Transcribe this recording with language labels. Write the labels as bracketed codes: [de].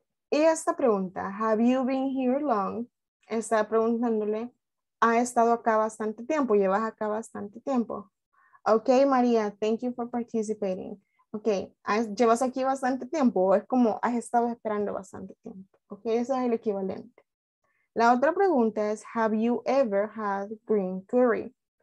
[es] Y esta pregunta, [en] have you been here long? [es] Está preguntándole, ha estado acá bastante tiempo, llevas acá bastante tiempo. Ok, María, [en] thank you for participating. [es] Ok, llevas aquí bastante tiempo, es como has estado esperando bastante tiempo. Ok, ese es el equivalente. La otra pregunta es, [en] have you ever had green curry?